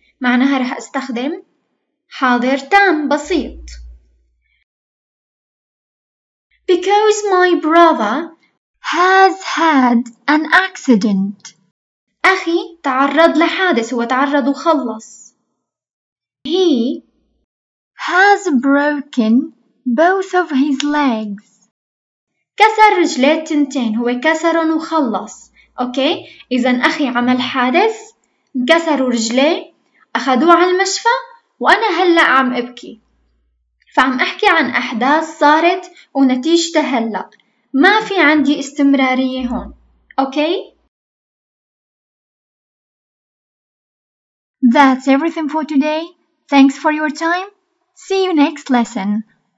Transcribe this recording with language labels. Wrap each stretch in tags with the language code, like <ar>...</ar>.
<ar>معناها رح أستخدم حاضر تام بسيط.</ar> <en>Because my brother has had an accident.</en> <ar>أخي تعرض لحادث وتعرض وخلص.</ar> <en>He has broken both of his legs.</en> <ar>كسر رجليه تنتين، هو كسرن وخلص. أوكي، إذا أخي عمل حادث، انكسروا رجليه، أخذوه على المشفى، وأنا هلأ عم أبكي. فعم أحكي عن أحداث صارت ونتيجتها هلأ. ما في عندي استمرارية هون. أوكي؟</ar> <en>That's everything for today. Thanks for your time. See you next lesson.</en>